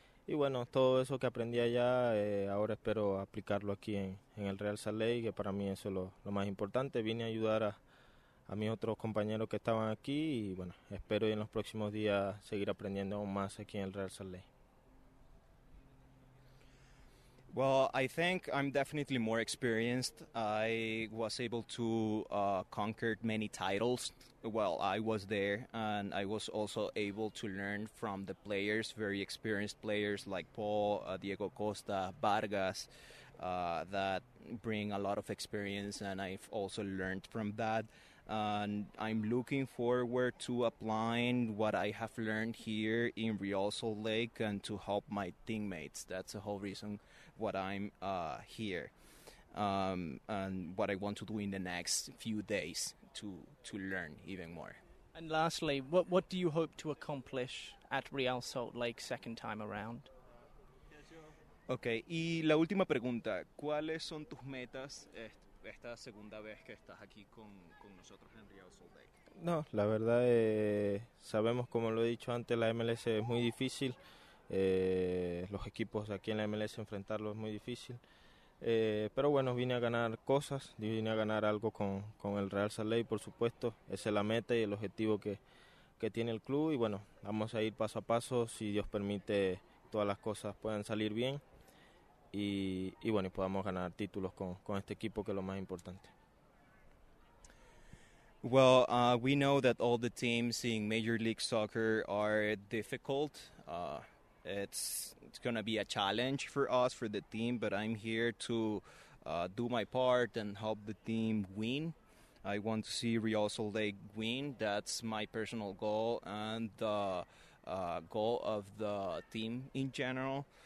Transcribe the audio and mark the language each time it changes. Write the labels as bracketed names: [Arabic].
[Spanish] Y bueno, todo eso que aprendí allá, ahora espero aplicarlo aquí en el Real Salt Lake, que para mí eso es lo más importante. Vine a ayudar a mis otros compañeros que estaban aquí, y bueno, espero en los próximos días seguir aprendiendo aún más aquí en el Real Salt Lake. [English] Well, I think I'm definitely more experienced. I was able to conquer many titles while I was there, and I was also able to learn from the players, very experienced players like Paul, Diego Costa, Vargas, that bring a lot of experience, and I've also learned from that. And I'm looking forward to applying what I have learned here in Real Salt Lake and to help my teammates. That's the whole reason what I'm here, and what I want to do in the next few days to learn even more. And lastly, what do you hope to accomplish at Real Salt Lake second time around? [Spanish] Okay, y la última pregunta, ¿cuáles son tus metas esta segunda vez que estás aquí con nosotros en Real Salt Lake? No, la verdad, sabemos, como lo he dicho antes, la MLS es muy difícil. Los equipos aquí en la MLS enfrentarlos es muy difícil, pero bueno, vine a ganar cosas, vine a ganar algo con el Real Salt Lake, por supuesto. Esa es la meta y el objetivo que tiene el club, y bueno, vamos a ir paso a paso, si Dios permite todas las cosas puedan salir bien, y bueno, y podamos ganar títulos con este equipo, que es lo más importante. [English] Well, we know that all the teams in Major League Soccer are difficult. It's going to be a challenge for us, for the team, but I'm here to do my part and help the team win. I want to see Real Salt Lake win. That's my personal goal and the goal of the team in general.